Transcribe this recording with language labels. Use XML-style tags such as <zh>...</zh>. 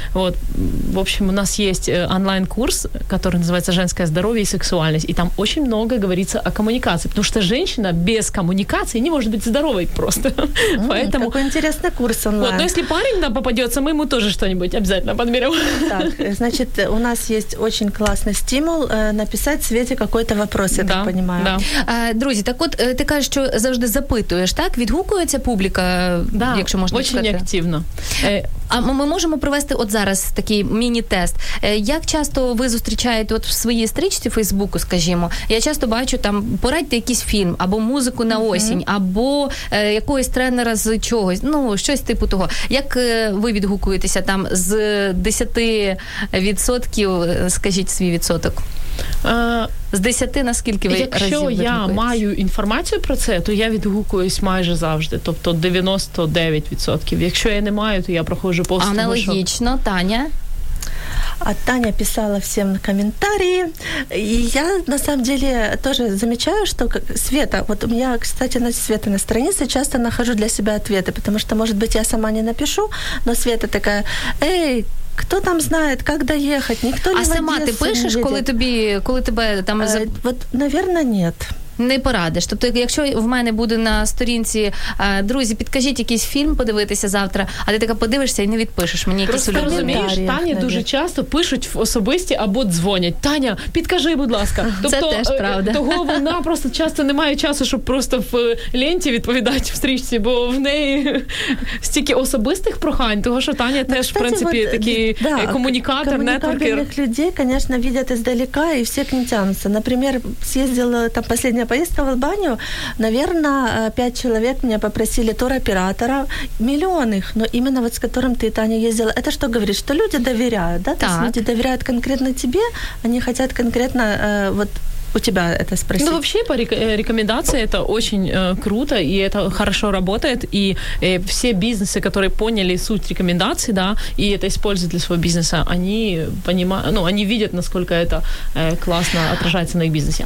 <ru>Вот, в общем, у нас есть онлайн-курс, который называется «Женское здоровье и сексуальность», и там очень много говорится о коммуникации, потому что женщина без коммуникации не может быть здоровой просто. Поэтому... Какой интересный курс онлайн. Вот, но если парень нам попадется, мы ему тоже что-нибудь обязательно подберем. Так, значит, у нас есть очень классный стимул написать Свете какой-то вопрос, я да, так понимаю. Да.</ru> <uk>Друзі, так от ти кажеш, що завжди запитуєш, так? Відгукується публіка,</uk> <ru>да,</ru> <uk>якщо можна сказати? Так, дуже активно. А ми можемо провести от зараз такий міні-тест. Як часто ви зустрічаєте от в своїй стрічці Фейсбуку, скажімо, я часто бачу там порадьте якийсь фільм, або музику на осінь, або якогось тренера з чогось, ну, щось типу того. Як ви відгукуєтеся там з 10%, скажіть свій відсоток? З 10 наскільки ви разів відгукуєтесь? Якщо я маю інформацію про це, то я відгукуюсь майже завжди. Тобто 99%. Якщо я не маю, то я проходжу повз. Аналогічно, що... Таня?</uk> <ru>А Таня писала всем комментарии. И я, на самом деле, тоже замечаю, что Света... Вот у меня, кстати, на Света на странице часто нахожу для себя ответы, потому что, может быть, я сама не напишу, но Света такая, эй, кто там знает, как доехать? Никто не в Одессу не едет. А сама ты пишешь,</ru> <uk>коли тебе там...</uk> <ru>Вот, наверное, нет.</ru> <uk>Не порадиш. Тобто, якщо в мене буде на сторінці, друзі, підкажіть якийсь фільм подивитися завтра, а ти така подивишся і не відпишеш мені якісь улюблені. Просто розумієш, Тані дуже часто пишуть в особисті або дзвонять. Таня, підкажи, будь ласка. Тобто, це теж правда. Того вона просто часто не має часу, щоб просто в ленті відповідати в стрічці, бо в неї стільки особистих прохань, того, що Таня теж, в принципі, вот, такий да, комунікатор, нетворкер. Комунікабельних людей, звісно, бачать здалека і всі</uk> <ru>к ним тянуться.</ru> <uk>Наприклад, з'їздила там послед поїздка в Албанію, наверное, 5 чоловік мене попросили туроператора, мільйонних,</uk> <ru>но именно вот с которым ты, Таня, ездила. Это что говорит, что люди доверяют, да? Так. То есть люди доверяют конкретно тебе, они хотят конкретно вот у тебя это спросить. Ну, вообще, по рекомендации это очень круто, и это хорошо работает, и все бизнесы, которые поняли суть рекомендаций, да, и это используют для своего бизнеса, они понимают, ну, они видят, насколько это классно отражается на их бизнесе.</ru>